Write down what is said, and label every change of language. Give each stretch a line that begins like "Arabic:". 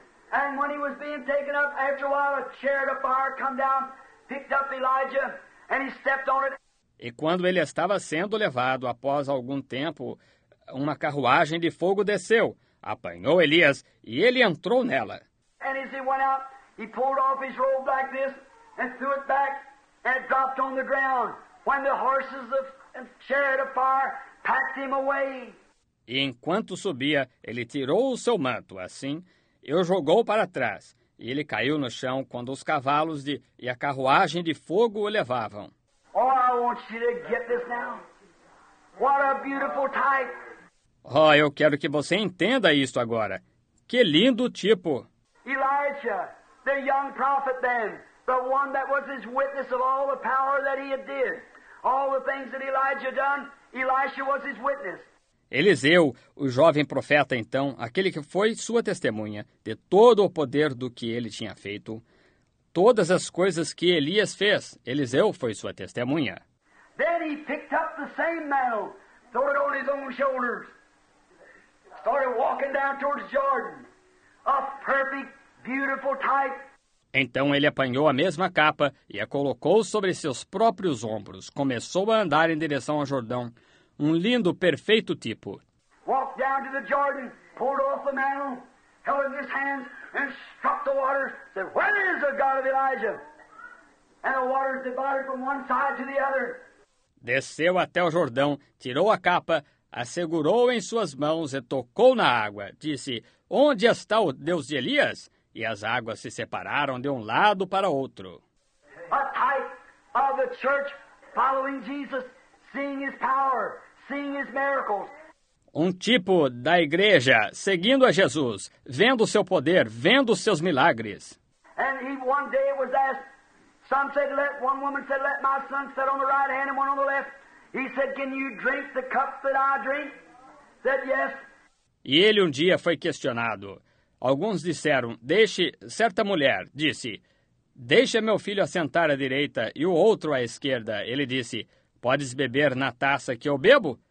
English: And when he was being taken up, after a while a chariot of fire come down, picked up Elijah, and he stepped on it.
Portuguese: E quando ele estava sendo levado, após algum tempo, uma carruagem de fogo desceu, apanhou Elias, e ele entrou nela.
English: And as he went out, he pulled off his robe like this, and threw it back, and it dropped on the ground, when the horses of the chariot of fire packed him away.
Portuguese: E enquanto subia, ele tirou o seu manto, assim, e o jogou para trás, e ele caiu no chão quando os cavalos e a carruagem de fogo o levavam.
English: Oh, I want you to get this now. What a beautiful type.
Portuguese: Oh, eu quero que você entenda isto agora. Que lindo tipo.
English: Elijah, the young prophet then, the one that was his witness of all the power that he had did, all the things that Elijah done, Elisha was his witness.
Portuguese: Eliseu, o jovem profeta então, aquele que foi sua testemunha de todo o poder do que ele tinha feito, todas as coisas que Elias fez, Eliseu foi sua testemunha.
English: Then he picked up the same mantle, threw it on his own shoulders, started walking down towards Jordan, a perfect, beautiful type.
Portuguese: Então ele apanhou a mesma capa e a colocou sobre seus próprios ombros, começou a andar em direção ao Jordão. Um lindo, perfeito tipo.
English: Walked down to the Jordan, pulled off the mantle, held in his hands, and struck the waters, said, where is the God of Elijah? And the waters divided from one side to the other.
Portuguese: Desceu até o Jordão, tirou a capa, assegurou em suas mãos e tocou na água. Disse, onde está o Deus de Elias? E as águas se separaram de um lado para outro.
English: A type of the church following Jesus. Seeing his power, seeing his miracles.
Portuguese: Um tipo da igreja seguindo a Jesus, vendo o seu poder, vendo os seus milagres.
English: And he one day was asked, some said, let one woman said, let my son sit on the right hand and one on the left. He said, can you drink the cup that I drink? Said yes.
Portuguese: E ele um dia foi questionado. Alguns disseram, deixe certa mulher, disse, deixa meu filho assentar à direita e o outro à esquerda. Ele disse, podes beber na taça que eu bebo?